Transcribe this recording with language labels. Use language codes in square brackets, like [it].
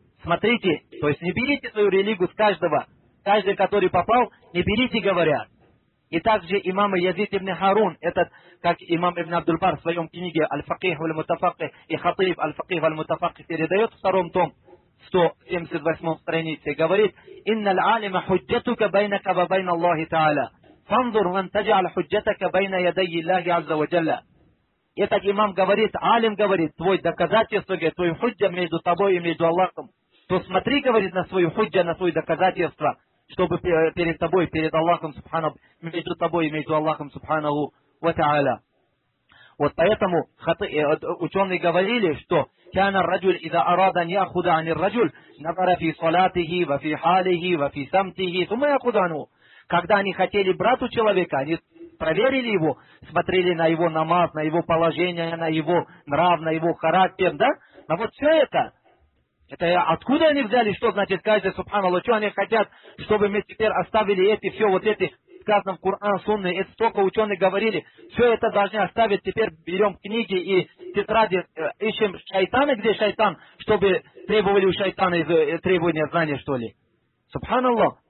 [ru] Смотрите, то есть не берите свою религию с каждого. Каждый, который попал, не берите, говорят. И также имам Язид ибн Харун, этот, как имам ибн Абдул-Бар в своем книге «Аль-Факих валь-Мутафакхи» и «Хатиб аль-Факих валь-Мутафакхи» передает в втором том, 178 странице, говорит, [ar] «Инна л-алима худжатука байнака ва байна Аллахи Та'аля». فانظر من تجعل حجتك بين يدي الله عز وجل. [ru] Этот имам говорит, алим говорит, твой доказательство, говорит, твой худжа между тобой и между Аллахом. То смотри, говорит, на свою худжа, на свое доказательство, чтобы перед тобой, перед Аллахом, между тобой и между Аллахом, субханаху ва тааля. Вот поэтому ученые говорили, что [ar] كان الرجل إذا أراد أن يأخذ عن الرجل نظر في صلاته وفي حاله وفي سمته ثم يأخذ عنه. [ru] Когда они хотели брать у человека, они проверили его, смотрели на его намаз, на его положение, на его нрав, на его характер, да? Но вот все это откуда они взяли, что значит каждый, субханаллах, что они хотят, чтобы мы теперь оставили эти все вот эти, сказано в Коран, Сунны, это столько ученых говорили, все это должны оставить, теперь берем книги и тетради, ищем шайтана, где шайтан, чтобы требовали у шайтана требования знания, что ли? Субханаллах.